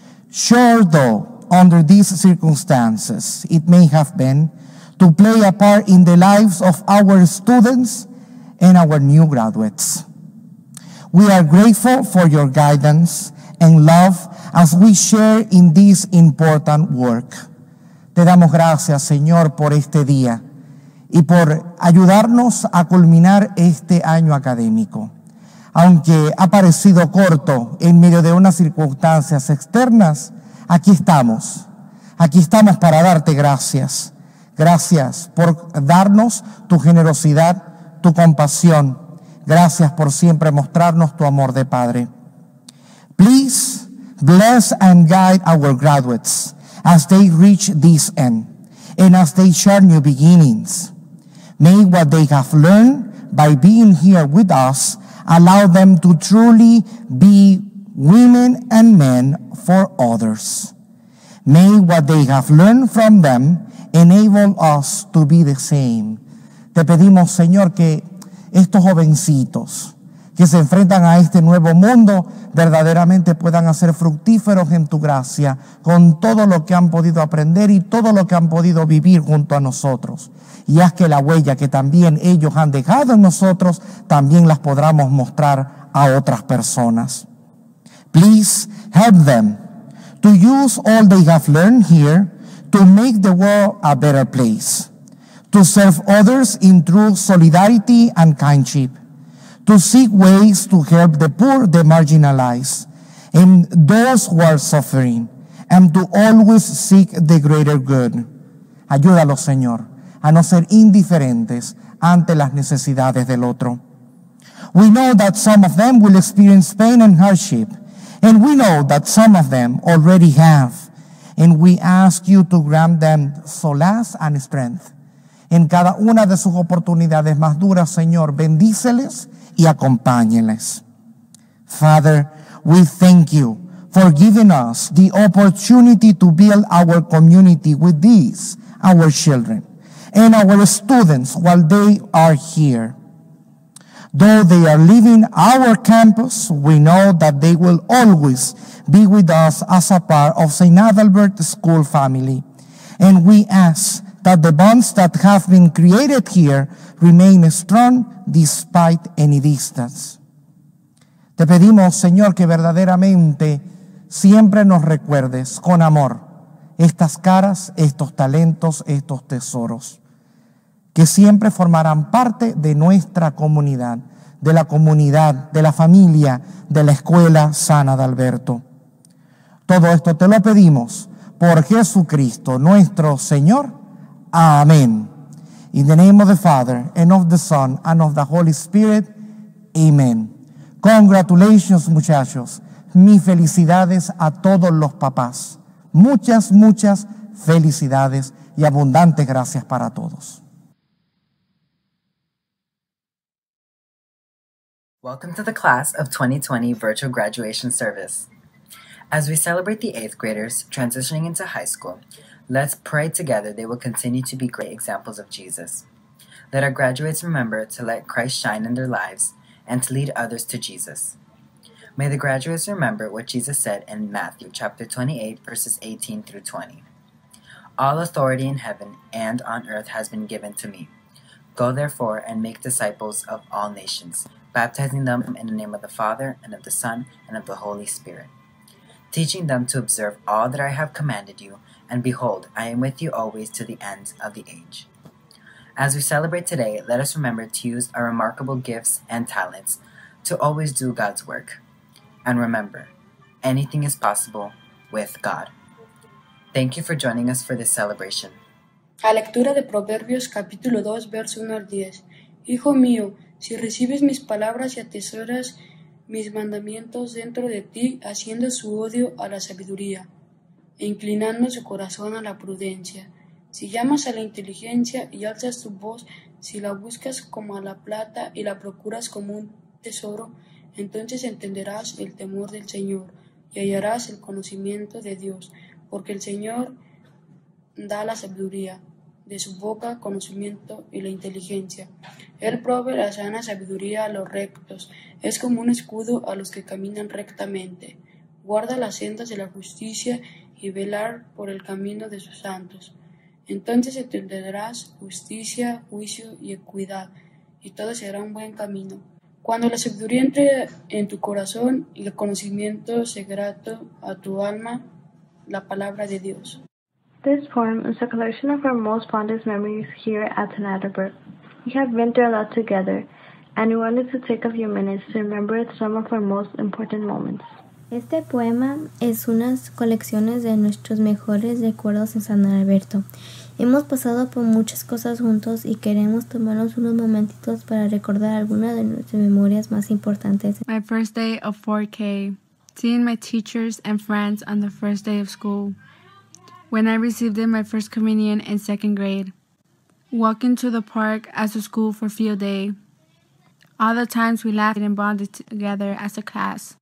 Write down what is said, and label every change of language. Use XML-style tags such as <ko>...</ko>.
<en>Sure though, under these circumstances, it may have been to play a part in the lives of our students and our new graduates. We are grateful for your guidance and love as we share in this important work.</en> <es>Te damos gracias, Señor, por este día y por ayudarnos a culminar este año académico. Aunque ha parecido corto en medio de unas circunstancias externas, aquí estamos. Aquí estamos para darte gracias. Gracias por darnos tu generosidad, tu compasión. Gracias por siempre mostrarnos tu amor de Padre.</es> <en>Please bless and guide our graduates as they reach this end, and as they share new beginnings. May what they have learned by being here with us allow them to truly be women and men for others. May what they have learned from them enable us to be the same.</en> <es>Te pedimos, Señor, que estos jovencitos que se enfrentan a este nuevo mundo verdaderamente puedan hacer fructíferos en tu gracia con todo lo que han podido aprender y todo lo que han podido vivir junto a nosotros. Y haz que la huella que también ellos han dejado en nosotros también las podamos mostrar a otras personas.</es> <en>Please help them to use all they have learned here to make the world a better place, to serve others in true solidarity and kindship, to seek ways to help the poor, the marginalized, and those who are suffering, and to always seek the greater good.</en> <es>Ayúdalos, Señor, a no ser indiferentes ante las necesidades del otro.</es> <en>We know that some of them will experience pain and hardship, and we know that some of them already have, and we ask you to grant them solace and strength.</en> <es>En cada una de sus oportunidades más duras, Señor, bendíceles y acompáñeles.</es> <en>Father, we thank you for giving us the opportunity to build our community with these, our children, and our students while they are here. Though they are leaving our campus, we know that they will always be with us as a part of St. Adalbert School family. And we ask that the bonds that have been created here remain strong despite any distance.</en> <es>Te pedimos, Señor, que verdaderamente siempre nos recuerdes con amor estas caras, estos talentos, estos tesoros, que siempre formarán parte de nuestra comunidad, de la comunidad, de la familia, de la escuela San Adalberto. Todo esto te lo pedimos por Jesucristo, nuestro Señor. Amén.</es> <en>In the name of the Father, and of the Son, and of the Holy Spirit. Amen. Congratulations,</en> <es>muchachos. Mis felicidades a todos los papás. Muchas, muchas felicidades y abundantes gracias para todos.</es> <en>Welcome to the class of 2020 virtual graduation service. As we celebrate the eighth graders transitioning into high school, let's pray together they will continue to be great examples of Jesus. Let our graduates remember to let Christ shine in their lives and to lead others to Jesus. May the graduates remember what Jesus said in Matthew chapter 28, verses 18 through 20. All authority in heaven and on earth has been given to me. Go therefore and make disciples of all nations, baptizing them in the name of the Father and of the Son and of the Holy Spirit, teaching them to observe all that I have commanded you, and behold, I am with you always to the end of the age. As we celebrate today, let us remember to use our remarkable gifts and talents to always do God's work. And remember, anything is possible with God. Thank you for joining us for this celebration.</en> <es>A lectura de Proverbios capítulo 2, verso 1 al 10. Hijo mío, si recibes mis palabras y atesoras mis mandamientos dentro de ti, haciendo su odio a la sabiduría, e inclinando su corazón a la prudencia. Si llamas a la inteligencia y alzas tu voz, si la buscas como a la plata y la procuras como un tesoro, entonces entenderás el temor del Señor y hallarás el conocimiento de Dios, porque el Señor da la sabiduría, de su boca conocimiento y la inteligencia. Él provee la sana sabiduría a los rectos, es como un escudo a los que caminan rectamente. Guarda las sendas de la justicia y velar por el camino de sus santos. Entonces entenderás justicia, juicio y equidad, y todo será un buen camino. Cuando la sabiduría entre en tu corazón y el conocimiento se grato a tu alma, la palabra de Dios.</es> <en>This poem is a collection of our most fondest memories here at St. Adalbert. We have been through a lot together, and we wanted to take a few minutes to remember some of our most important moments.</en> <es>Este poema es una colección de nuestros mejores recuerdos en San Alberto. Hemos pasado por muchas cosas juntos y queremos tomarnos unos momentitos para recordar algunas de nuestras memorias más importantes.</es> <en>My first day of 4K, seeing my teachers and friends on the first day of school, when I received my first communion in second grade, walking to the park as a school for field day, all the times we laughed and bonded together as a class.</en>